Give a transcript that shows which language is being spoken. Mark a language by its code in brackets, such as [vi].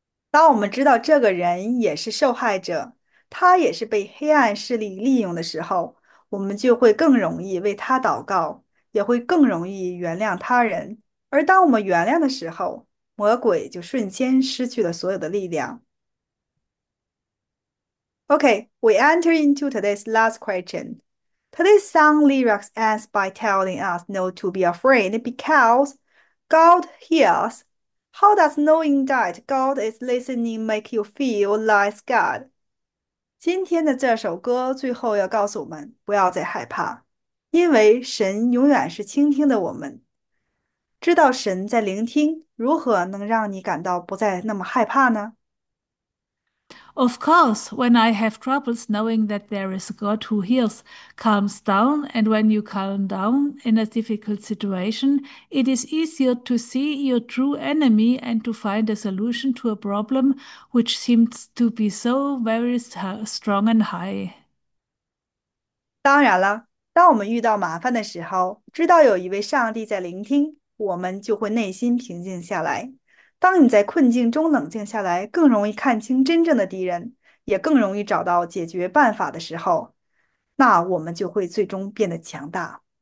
[zh] 当我们知道这个人也是受害者，他也是被黑暗势力利用的时候，我们就会更容易为他祷告，也会更容易原谅他人。而当我们原谅的时候，魔鬼就瞬间失去了所有的力量。 [en] Okay, we enter into today's last question. Today's song lyrics ends by telling us not to be afraid because God hears. How does knowing that God is listening make you feel like God? [zh] 今天的这首歌最后要告诉我们，不要再害怕，因为神永远是倾听的我们。知道神在聆听，如何能让你感到不再那么害怕呢？ [en] Of course, when I have troubles, knowing that there is a God who hears calms down, and when you calm down in a difficult situation, it is easier to see your true enemy and to find a solution to a problem which seems to be so very strong and high. [zh] 当然了，当我们遇到麻烦的时候，知道有一位上帝在聆听，我们就会内心平静下来。当你在困境中冷静下来，更容易看清真正的敌人，也更容易找到解决办法的时候，那我们就会最终变得强大。